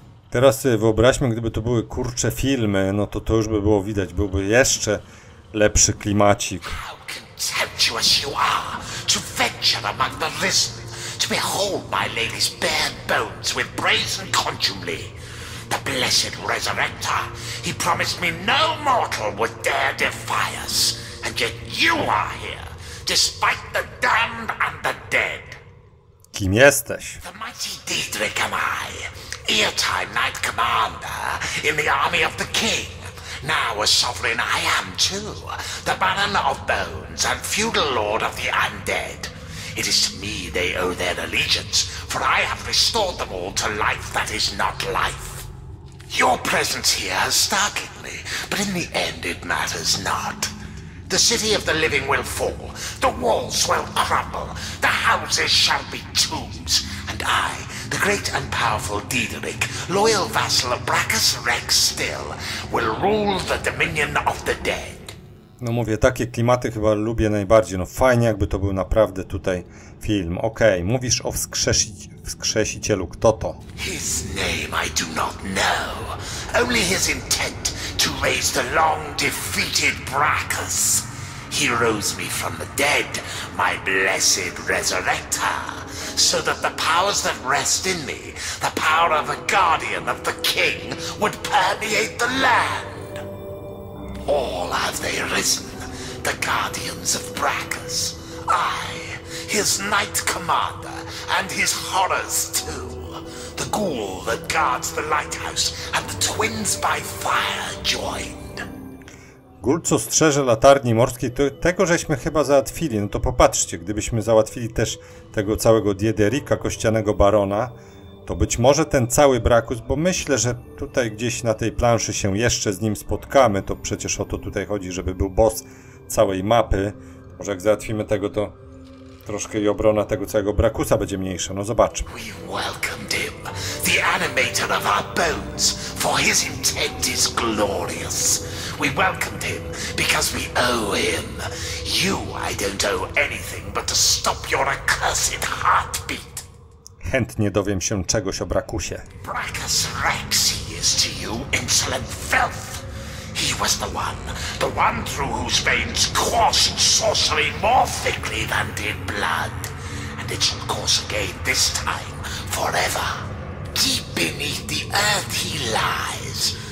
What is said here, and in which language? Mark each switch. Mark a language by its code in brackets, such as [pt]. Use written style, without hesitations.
[pl] Teraz sobie wyobraźmy, gdyby to były kurcze filmy, no to to już by było widać, byłby jeszcze lepszy klimacik. [en] How contemptuous you are to venture among the listeners. To behold my lady's bare bones with brazen contumely. The blessed resurrector, he promised me no mortal would dare defy us. And yet you are here, despite the damned and the dead. [pl] Kim jesteś? [en] The mighty Diedrich am I, Eartime Knight Commander in the army of the king. Now a sovereign I am too, the Baron of Bones and feudal lord of the undead. It is to me they owe their allegiance, for I have restored them all to life that is not life. Your presence here has startled me, but in the end it matters not. The city of the living will fall, the walls will crumble, the houses shall be tombs, and I, the great and powerful Diederik, loyal vassal of Bracchus Rex still, will rule the dominion of the dead. [pl] No mówię, takie klimaty chyba lubię najbardziej. No fajnie, jakby to był naprawdę tutaj film. Okej, okay, mówisz o wskrzesicielu. Kto to? [en] His name I do not know. Only his intent to raise the long defeated Bracchus. He rose me from the dead, my blessed resurrector. So that the powers that rest in me, the power of a guardian of the king, would permeate the land. All have they risen, the guardians of Bracchus. I, his knight commander, and his horrors too. The ghoul that guards the lighthouse, and the twins by fire joined. [pl] Ghoul, co strzeże latarni morskiej, to tego żeśmy chyba załatwili. No to popatrzcie, gdybyśmy załatwili też tego całego Diederika, kościanego barona, to być może ten cały Bracchus, bo myślę, że tutaj gdzieś na tej planszy się jeszcze z nim spotkamy, to przecież o to tutaj chodzi, żeby był boss całej mapy. Może jak załatwimy tego, to troszkę i obrona tego całego Bracchusa będzie mniejsza, no zobaczmy. [en] We welcomed him, the animator of our bones, for his intent is glorious. We welcomed him, because we owe him. You, I don't owe anything but to stop your accursed heartbeat. [pl] Chętnie dowiem się czegoś o Bracchusie. [en] Bracchus Rex, he is to you, insolent filth. He was the one through whose veins coursed sorcery more thickly than did blood. And it shall course again, this time, forever. Deep beneath the earth he lies.